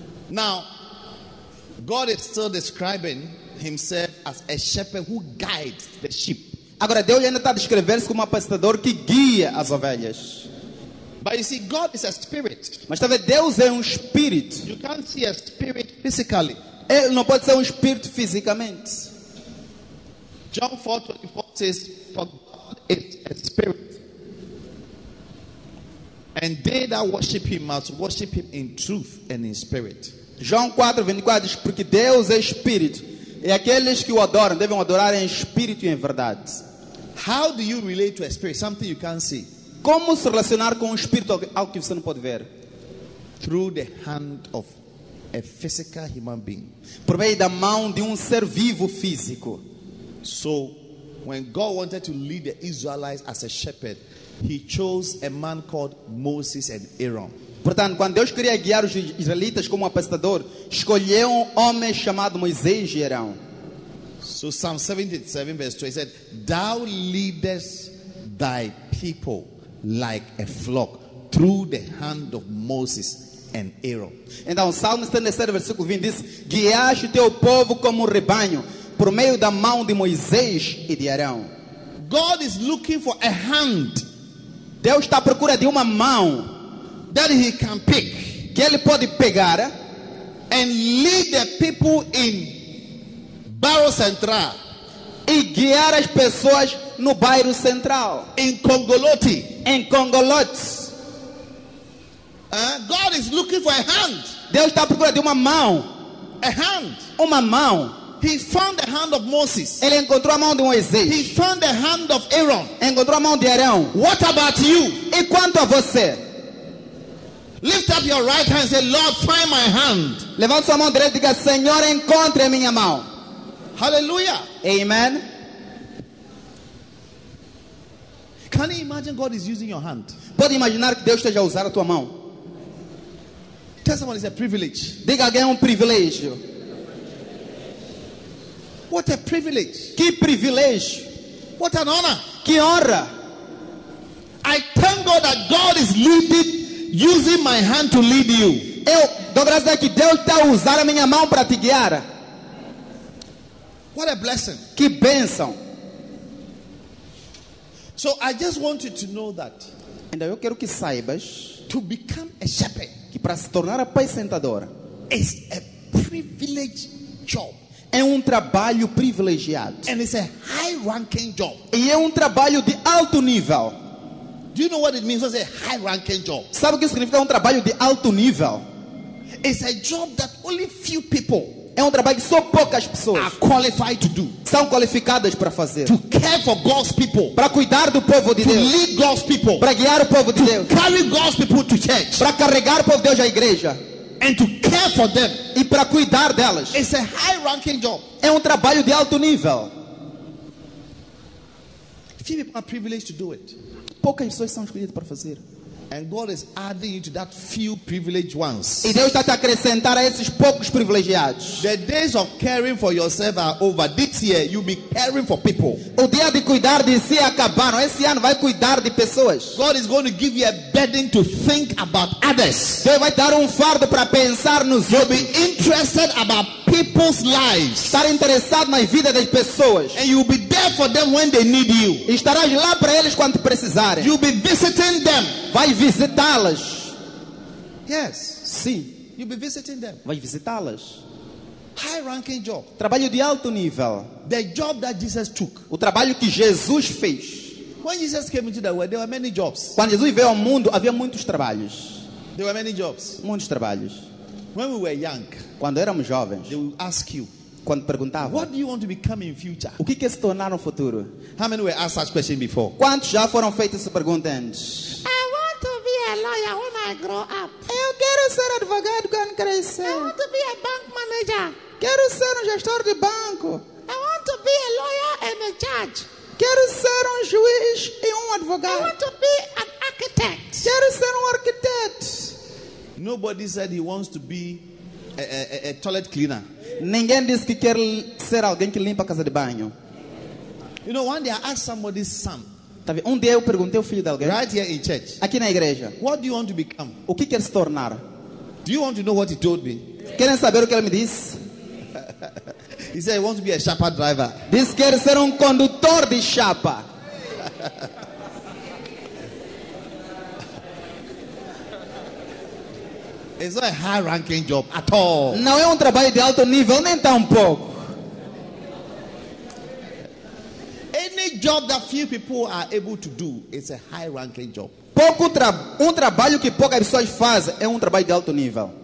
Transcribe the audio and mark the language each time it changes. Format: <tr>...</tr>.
<en>Now, God is still describing himself as a shepherd who guides the sheep.</en> <pt>Agora Deus ainda está a descrever-se como um pastor que guia as ovelhas.</pt> <en>But you see, God is a spirit.</en> <pt>Mas está a ver, Deus é um espírito.</pt> <en>You can't see a spirit physically.</en> <pt>Ele não pode ser um espírito fisicamente.</pt> <en>John 4:24 says, "For God is a spirit, and they that worship him must worship him in truth and in spirit."</en> <pt>João 4:24 diz, porque Deus é espírito. E aqueles que o adoram devem adorar em espírito e em verdade.</pt> <en>How do you relate to a spirit? Something you can't see.</en> <pt>Como se relacionar com um espírito, algo que você não pode ver?</pt> <en>Through the hand of a physical human being.</en> <pt>Por meio da mão de um ser vivo físico.</pt> <en>So, when God wanted to lead the Israelites as a shepherd, he chose a man called Moses and Aaron.</en> <pt>Portanto, quando Deus queria guiar os israelitas como um apacentador, escolheu um homem chamado Moisés e Arão.</pt> <en>So, Psalm 77, verse 2, said, "Thou leadest thy people like a flock through the hand of Moses and Aaron."</en> <pt>Então, Salmo 77, versículo 20, diz, guias o teu povo como um rebanho por meio da mão de Moisés e de Arão.</pt> <en>God is looking for a hand.</en> <pt>Deus está à procura de uma mão.</pt> <en>That he can pick,</en> <pt>que ele pode pegar,</pt> <en>and lead the people in Barro Central,</en> <pt>e guiar as pessoas no bairro central,</pt> <en>in Congoloti,</en> <pt>em Congolot.</pt> <en>God is looking for a hand.</en> <pt>Deus está procurando uma mão,</pt> <en>a hand,</en> <pt>uma mão.</pt> <en>He found the hand of Moses.</en> <pt>Ele encontrou a mão de Moisés.</pt> <en>He found the hand of Aaron.</en> <pt>Encontrou a mão de Arão.</pt> <en>What about you?</en> <pt>E quanto a você?</pt> <en>Lift up your right hand and say, "Lord, find my hand."</en> <pt>Levanta sua mão direita e diga, "Senhor, encontre a minha mão."</pt> <en>Hallelujah.</en> <pt>Amen.</pt> <en>Can you imagine God is using your hand?</en> <pt>Pode imaginar que Deus esteja a usar a tua mão?</pt> <en>Tell someone it's a privilege.</en> <pt>Diga a alguém privilégio.</pt> <en>What a privilege.</en> <pt>Que privilégio.</pt> <en>What an honor.</en> <pt>Que honra.</pt> <en>I thank God that God is leading, using my hand to lead you.</en> <pt>Eu dou graças a Deus que Deus está a usar a minha mão para te guiar.</pt> <en>What a blessing.</en> <pt>Que bênção.</pt> <en>So I just want you to know that.</en> <pt>Então eu quero que saibas.</pt> <en>To become a shepherd.</en> <pt>Que para se tornar apacentador.</pt> <en>Is a privilege job.</en> <pt>É um trabalho privilegiado.</pt> <en>And it's a high ranking job.</en> <pt>E é um trabalho de alto nível.</pt> <en>Do you know what it means to say high ranking job?</en> <pt>Sabe o que significa um trabalho de alto nível?</pt> <en>It's a job that only few people.</en> <pt>É um trabalho que só poucas pessoas</pt> <en>are qualified to do.</en> <pt>São qualificadas para fazer.</pt> <en>To care for God's people.</en> <pt>Para cuidar do povo de</pt> <en>to</en> <pt>Deus.</pt> <en>To lead God's people.</en> <pt>Para guiar o povo de</pt> <en>to</en> <pt>Deus.</pt> <en>Carry God's people to church.</en> <pt>Para carregar o povo de Deus à igreja.</pt> <en>And to care for them.</en> <pt>E para cuidar delas.</pt> <en>It's a high ranking job.</en> <pt>É um trabalho de alto nível.</pt> <en>Few people are privileged to do it.</en> <pt>Poucas pessoas são escolhidas para fazer.</pt> <en>And God is adding you to that few privileged ones.</en> <pt>E Deus está a acrescentar a esses poucos privilegiados.</pt> <en>The days of caring for yourself are over. This year you'll be caring for people.</en> <pt>O dia de cuidar de si acabaram. Esse ano vai cuidar de pessoas.</pt> <en>God is going to give you a burden to think about others.</en> <pt>Deus vai dar fardo para pensar nos outros.</pt> <en>You'll be interested about people's lives.</en> <pt>Estar interessado na vida das pessoas.</pt> <en>And you'll be there for them when they need you.</en> <pt>E estarás lá para eles quando precisarem.</pt> <en>You'll be visiting them.</en> <pt>Vai visitá-las.</pt> <en>Yes.</en> <pt>Sim.</pt> <en>You'll be visiting them.</en> <pt>Vai visitá-las.</pt> <en>High ranking job.</en> <pt>Trabalho de alto nível.</pt> <en>The job that Jesus took.</en> <pt>O trabalho que Jesus fez.</pt> <en>When Jesus came into the world, there were many jobs.</en> <pt>Quando Jesus veio ao mundo, havia muitos trabalhos.</pt> <en>There were many jobs.</en> <pt>Muitos trabalhos.</pt> <en>When we were young,</en> <pt>quando éramos jovens,</pt> <en>they would ask you,</en> <pt>quando perguntava,</pt> <en>what do you want to become in future?</en> <pt>O que quer se tornar no futuro?</pt> <en>How many were asked such question before?</en> <pt>Quantos já foram feitas essa pergunta antes?</pt> <en>I want to be a lawyer when I grow up.</en> <pt>Eu quero ser advogado quando crescer.</pt> <en>I want to be a bank manager.</en> <pt>Quero ser gestor de banco.</pt> <en>I want to be a lawyer and a judge.</en> <pt>Quero ser juiz e advogado.</pt> <en>I want to be an architect.</en> <pt>Quero ser architect.</pt> <en>Nobody said he wants to be a toilet cleaner.</en> <pt>Ninguém disse que quer ser alguém que limpa a casa de banho.</pt> <en>You know, one day I asked somebody some.</en> <pt>Tava um dia eu perguntei ao filho de alguém.</pt> <en>Right here in church.</en> <pt>Aqui na igreja.</pt> <en>What do you want to become?</en> <pt>O que quer se tornar?</pt> <en>Do you want to know what he told me?</en> <pt>Querem saber o que ele me disse?</pt> <en>He said he wants to be a chapa driver.</en> <pt>Diz que quer ser condutor de chapa.</pt> <en>It's not a high-ranking job at all.</en> <pt>Não é trabalho de alto nível nem tampouco.</pt> <en>Any job that few people are able to do is a high-ranking job.</en> <pt>Trabalho que poucas pessoas fazem é trabalho de alto nível.</pt>